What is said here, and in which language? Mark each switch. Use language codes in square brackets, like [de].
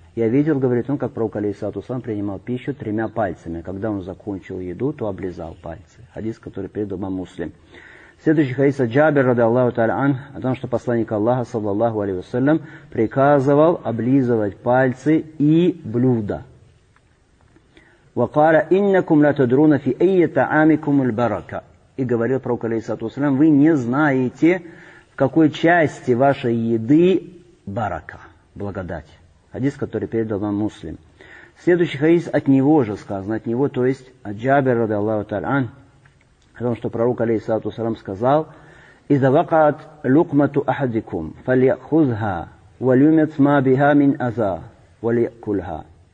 [ru] Я видел, говорит он, как пророк, алейхиссалату ассалям, принимал пищу тремя пальцами. Когда он закончил еду, то облизал пальцы. Хадис, который передал имам Муслим. Следующий хадис от Джабир, радиаллаху та'аля ан, о том, что посланник Аллаха, саллаллаху алейхи ва саллям, приказывал облизывать пальцы и блюда. [ar] وقال انكم لا تدرون في اي طعامكم البركه. [ru] И говорил пророк, алейхиссалату ассалям, вы не знаете, в какой части вашей еды барака, благодать. Хадис, который передал вам Муслим. Следующий хадис от него же сказано, от него, то есть от Джабир радиаллаху та'аля ан, о том, что пророк, алейхиссалату ассалям, сказал: [ar] اذا وقعت لقمه احدكم فليأخذها وليمت ما بها من اذى وليأكلها.